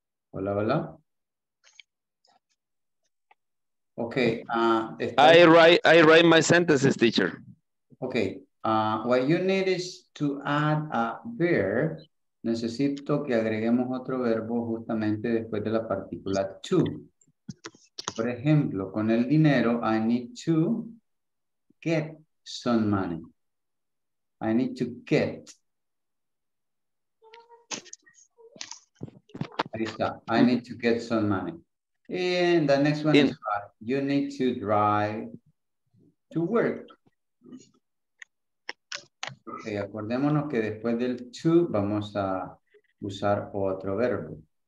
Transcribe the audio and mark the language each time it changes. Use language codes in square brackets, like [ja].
[es] Hola, hola. [en] Okay. I write my sentences, teacher. Okay. What you need is to add a verb. [es] Necesito que agreguemos otro verbo justamente después de la partícula to. Por ejemplo, con el dinero, [en] I need to get some money. I need to get. I need to get some money. And the next one is, you need to drive to work. [es] Okay, acordémonos que después del to, vamos a usar otro verbo.